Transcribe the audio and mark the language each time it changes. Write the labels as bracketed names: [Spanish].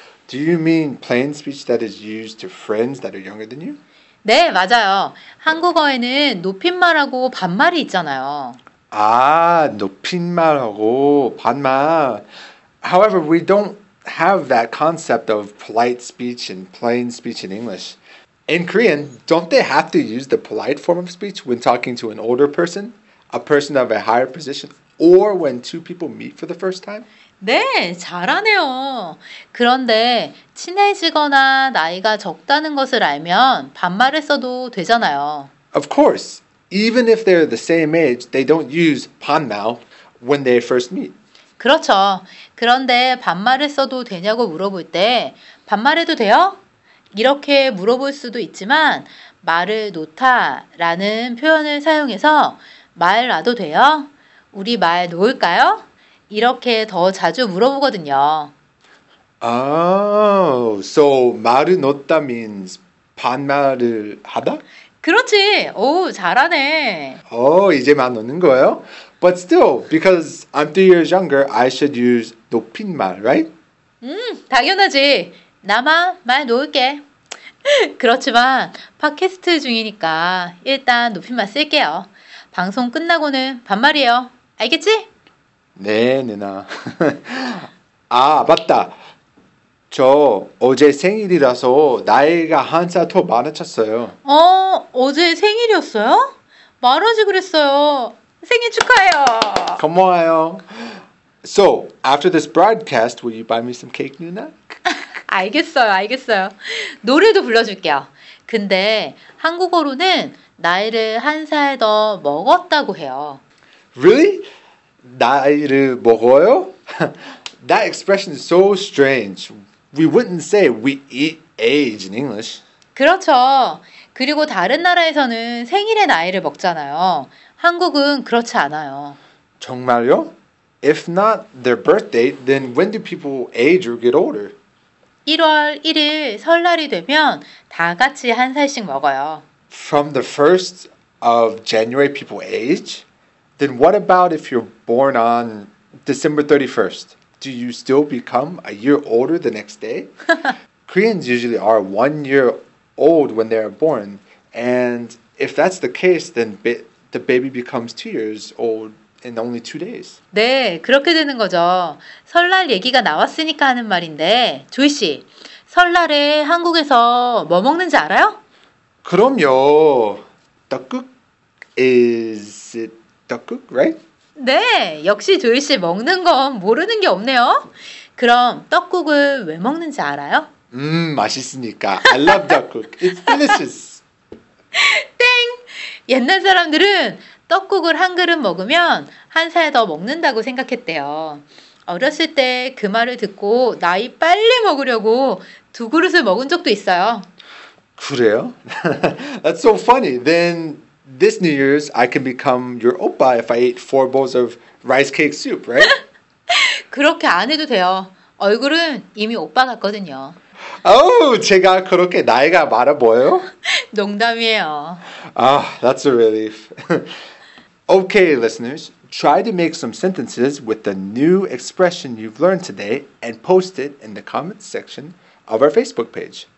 [English] Do you mean plain speech that is used to friends that are younger than you? [Korean] 네, 맞아요. 한국어에는 높임말하고 반말이 있잖아요. 아, 높임말하고 반말. [English] However, we don't have that concept of polite speech and plain speech in English. In Korean, don't they have to use the polite form of speech when talking to an older person? A person of a higher position, or when two people meet for the first time? [Korean] 네, 잘하네요. 그런데 친해지거나 나이가 적다는 것을 알면 반말을 써도 되잖아요. [English] Of course. Even if they're the same age, they don't use 반말 when they first meet. [Korean] 그렇죠. 그런데 반말을 써도 되냐고 물어볼 때 반말해도 돼요? 이렇게 물어볼 수도 있지만 말을 놓다라는 표현을 사용해서 말 놔도 돼요? 우리 말 놓을까요? 이렇게 더 자주 물어보거든요. [English] Oh, so 말을 놓다 means 반말을 하다? [Korean] 그렇지. 오, 잘하네. 오, 이제 말 놓는 거예요? [English] But still, because I'm 3 years younger, I should use 높임말, right? [Korean] 당연하지. 나만 말 놓을게. 그렇지만 팟캐스트 중이니까 일단 높임말 쓸게요. 방송 끝나고는 반말이에요. 알겠지? 네, 누나. 아, 맞다. 저 어제 생일이라서 나이가 한 살 더 많아졌어요. 어제 생일이었어요? 말하지 그랬어요. 생일 축하해요. 고마워요. [English] So, after this broadcast, will you buy me some cake, Nuna? [Korean] 알겠어요, 알겠어요. 노래도 불러줄게요. 근데 한국어로는 나이를 한 살 더 먹었다고 해요. [English] Really? [Korean] 나이를 먹어요? [English] That expression is so strange. We wouldn't say we eat age in English. [Korean] 그렇죠. 그리고 다른 나라에서는 생일의 나이를 먹잖아요. 한국은 그렇지 않아요. 정말요? [English] If not their birthday, then when do people age or get older? [Korean] 1월 1일 설날이 되면 다 같이 한 살씩 먹어요. [English] From the 1st of January, people age? Then what about if you're born on December 31st? Do you still become a year older the next day? Koreans usually are 1 year old when they are born. And if that's the case, then the baby becomes 2 years old in only 2 days. [Korean] 네, 그렇게 되는 거죠. 설날 얘기가 나왔으니까 하는 말인데, 조이 씨, 설날에 한국에서 뭐 먹는지 알아요? 그럼요. 떡국? [English] Is it 떡국, right? [Korean] 네, 역시 조이 씨 먹는 건 모르는 게 없네요. 그럼 떡국을 왜 먹는지 알아요? 맛있으니까. [English] I love 떡국. It's delicious. [Korean] 땡! 옛날 사람들은 떡국을 한 그릇 먹으면 한 살 더 먹는다고 생각했대요. 어렸을 때 그 말을 듣고 나이 빨리 먹으려고 두 그릇을 먹은 적도 있어요. 그래요? [English] That's so funny. Then this New Year's, I can become your oppa if I ate 4 bowls of rice cake soup, right? [Korean] 그렇게 안 해도 돼요. 얼굴은 이미 오빠 같거든요. 오, 제가 그렇게 나이가 많아 보여요? 농담이에요. [English] 아, that's a relief. Okay, listeners, try to make some sentences with the new expression you've learned today and post it in the comments section of our Facebook page.